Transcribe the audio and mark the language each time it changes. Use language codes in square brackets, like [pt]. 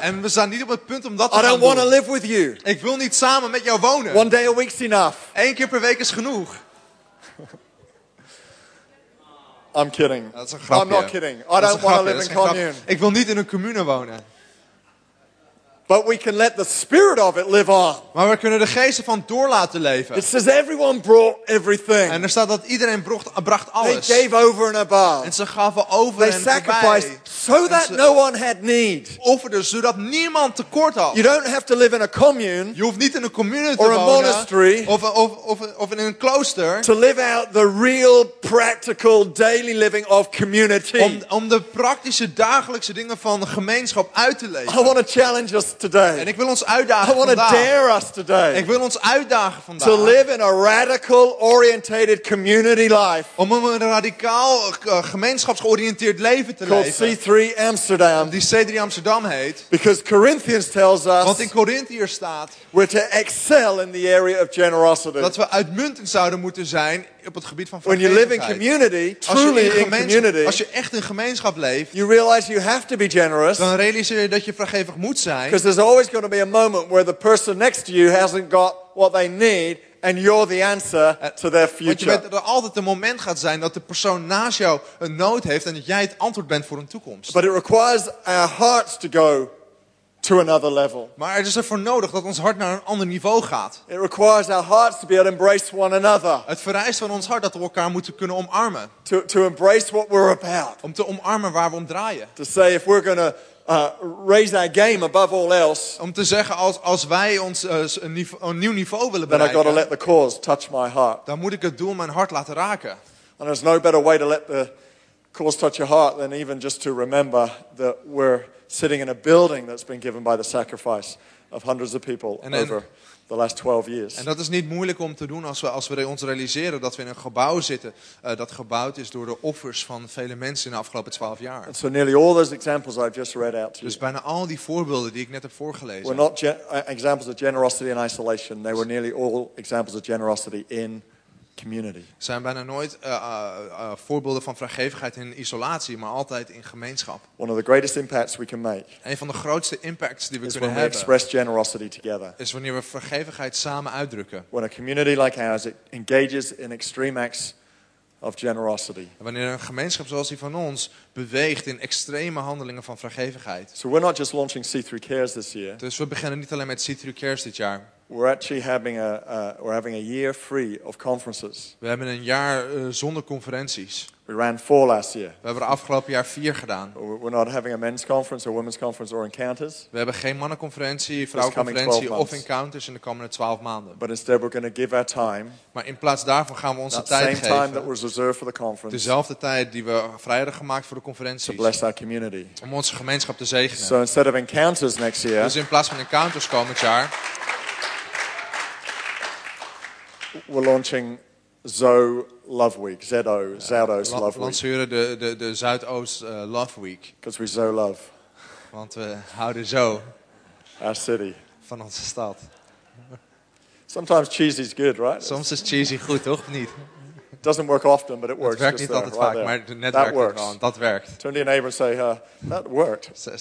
[nl] En we staan niet op het punt om dat te [en] I don't [nl] doen. [en] Want to live with you. [nl] Ik wil niet samen met jou wonen. [en] One day a week's enough. [nl] Eén keer per week is genoeg. [en] I'm kidding. [nl] Dat is een grapje. [en] I'm not kidding. I don't want to live in commune. [nl] Ik wil niet in een commune wonen. [en] But we can let the spirit of it live on. [nl] Maar we kunnen de geest ervan door laten leven. [en] It says everyone brought everything. [nl] En er staat dat iedereen bracht alles. [en] They gave over and above. [nl] En ze gaven over [en] They [nl] en [en] sacrificed [nl] erbij. [en] So that no one had need. [nl] Offerden zodat niemand tekort had. [en] You don't have to live in a commune. [nl] Je hoeft niet in een commune te [en] or a [nl] wonen, [en] monastery. [nl] Of in een klooster. [en] To live out the real practical daily living of community. [nl] Om de praktische dagelijkse dingen van de gemeenschap uit te leven. [en] I want to challenge us. Today. [nl] En ik wil ons uitdagen [en] I want to [nl] vandaag. [en] Dare us today. [nl] Ik wil ons uitdagen vandaag. [en] To live in a radical oriented community life. [nl] Om een radicaal gemeenschapsgeoriënteerd leven te [en] called [nl] leven. [en] C3 Amsterdam. [nl] Die C3 Amsterdam heet. [en] Because Corinthians tells us. [nl] Want in Corinthië staat. [en] We're to excel in the area of generosity. [nl] Dat we uitmuntend zouden moeten zijn op het gebied van [en] When you live in community, truly in community, [nl] als je echt in gemeenschap leeft, [en] you realize you have to be generous. [nl] Dan realiseer je dat je vrijgevig moet zijn. [en] Because there's always going to be a moment where the person next to you hasn't got what they need, and you're the answer to their future. [nl] Want je weet dat er altijd een moment gaat zijn dat de persoon naast jou een nood heeft en dat jij het antwoord bent voor hun toekomst. [en] But it requires our hearts to go. To another level. [nl] Maar het is ervoor nodig dat ons hart naar een ander niveau gaat. [en] It requires our hearts to be able to embrace one another. [nl] Het vereist van ons hart dat we elkaar moeten kunnen omarmen. [en] To embrace what we're about. [nl] Om te omarmen waar we om draaien. [en] To say if we're gonna raise our game above all else. [nl] Om te zeggen als wij ons een nieuw niveau willen bereiken. [en] Then I gotta let the cause touch my heart. [nl] Dan moet ik het doel mijn hart laten raken. [en] And there's no better way to let the cause touch your heart than even just to remember that we're sitting in a building that's been given by the sacrifice of hundreds of people over the last 12 years. [nl] En dat is niet moeilijk om te doen als we ons realiseren dat we in een gebouw zitten dat gebouwd is door de offers van vele mensen in de afgelopen 12 jaar. [en] And so nearly all those examples I've just read out to you. [nl] Dus bijna al die voorbeelden die ik net heb voorgelezen. [en] Were not examples of generosity in isolation. They were nearly all examples of generosity in community. [nl] Zijn bijna nooit voorbeelden van vrijgevigheid in isolatie, maar altijd in gemeenschap. [en] One of the greatest impacts we can make. [nl] Een van de grootste impacts die we kunnen [en] when [nl] hebben. [en] We express generosity together. [nl] Is wanneer we vrijgevigheid samen uitdrukken. [en] When a community like ours it engages in extreme acts of generosity. [nl] En wanneer een gemeenschap zoals die van ons beweegt in extreme handelingen van vrijgevigheid. [en] So we're not just launching C3 Cares this year. [nl] Dus we beginnen niet alleen met C3 Cares dit jaar. [en] We're actually having a year free of conferences. [nl] We hebben een jaar zonder conferenties. [en] We ran 4 last year. [nl] We hebben er afgelopen jaar 4 gedaan. [en] We're not having a men's conference or women's conference or encounters. [nl] We hebben geen mannenconferentie, vrouwenconferentie of encounters in de komende 12 maanden. [en] But instead we're going to give our time. [nl] Maar in plaats daarvan gaan we onze [en] that [nl] tijd [en] same [nl] geven. [en] Same time that was reserved for the conference. [nl] Dezelfde tijd die we vrij hadden gemaakt voor de conferenties. [en] To bless our community. [nl] Om onze gemeenschap te zegenen. [en] So instead of encounters next year. [nl] Dus in plaats van encounters komend jaar. [en] We're launching Zoe Love Week. Zo, Zuidoost Love Week. [nl] Lanceren de Zuidoost Love Week. [en] Because we so love. [nl] Want we houden zo. [en] Our city. [nl] Van onze stad. [en] Sometimes cheesy is good, right? [nl] Soms is cheesy goed, toch? Niet? [en] It doesn't work often, but it works. [nl] Het werkt niet altijd vaak, maar het netwerk werkt gewoon. Dat werkt. [en] Turn to your neighbor and say, that worked.